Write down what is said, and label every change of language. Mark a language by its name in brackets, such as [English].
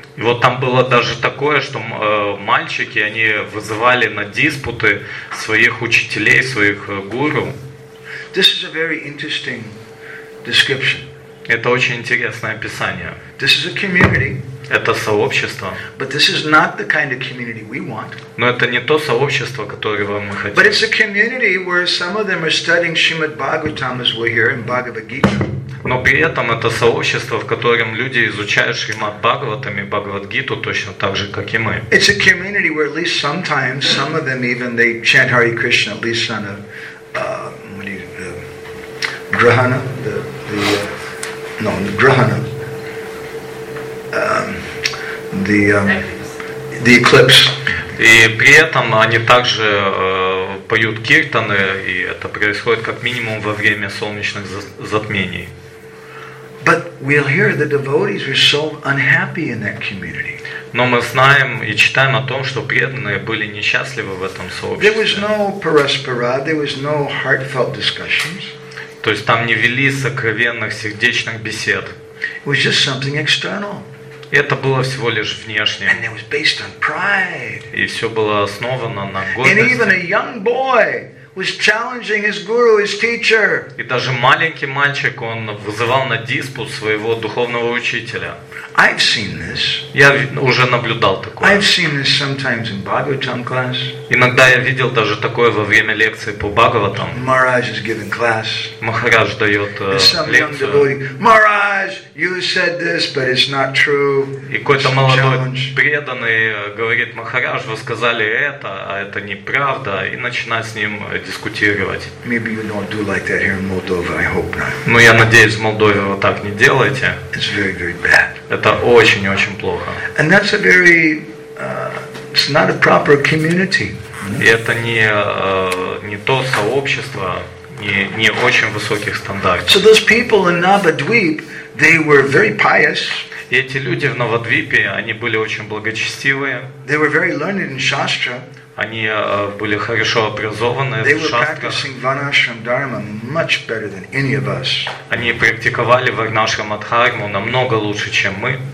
[Russian] И вот там было даже такое, что мальчики, они вызывали на диспуты своих учителей, своих гуру. [English] This is a very interesting description. [Russian] Это очень интересное описание. [English] This is a community. [Russian] Это сообщество. [English] But this is not the kind of community we want. [Russian] Но это не то сообщество, которое вам мы хотим. [English] But it's a community where some of them are studying Srimad Bhagavatam as we hear in Bhagavad Gita. [Russian] Но при этом это сообщество, в котором люди изучают Шримад Бхагаватам и Бхагавадгиту точно так же, как и мы. [English] It's a community where at least sometimes some of them even they chant Hare Krishna at least on a the eclipse. [Russian] И при этом они также поют киртаны, и это происходит как минимум во время солнечных затмений. [English] But we'll hear the devotees were so unhappy in that community. [Russian] Но мы знаем и читаем о том, что преданные были несчастливы в этом сообществе. [English] There was no paraspara, there was no heartfelt discussions. [Russian] То есть там не вели сокровенных сердечных бесед. [English] It was just something external. [Russian] Это было всего лишь внешнее. [English] And it was based on pride. [Russian] И все было основано на гордости. [English] And even a young boy was challenging his guru, his teacher. [Russian] И даже маленький мальчик, он вызывал на диспут своего духовного учителя. [English] I've seen this. [Russian] Я уже наблюдал такое. [English] I've seen this sometimes in Bhagavatam class. [Russian] Иногда я видел даже такое во время лекции по Бхагаватам. [English] Maharaj is giving class. [Russian] Махарадж дает лекцию. [English] Maharaj, you said this, but it's not true. [Russian] И какой-то молодой преданный говорит: Махарадж, вы сказали это, а это неправда, и начинает с ним дискутировать. [English] Maybe you don't do like that here in Moldova. I hope not. [Russian] Но я надеюсь, в Молдове вы так не делаете. [English] It's very, very bad. [Russian] Это очень и очень плохо. [English] And that's a very, it's not a proper community. [Russian] И это не то сообщество, не очень высоких стандартов. [English] So those people in Navadvip, they were very pious. [Russian] И эти люди в Навадвипе, они были очень благочестивые. [English] They were very learned in Shastra. [Russian] Они были хорошо образованы в шастрах. Они практиковали варнашрама дхарму намного лучше, чем мы.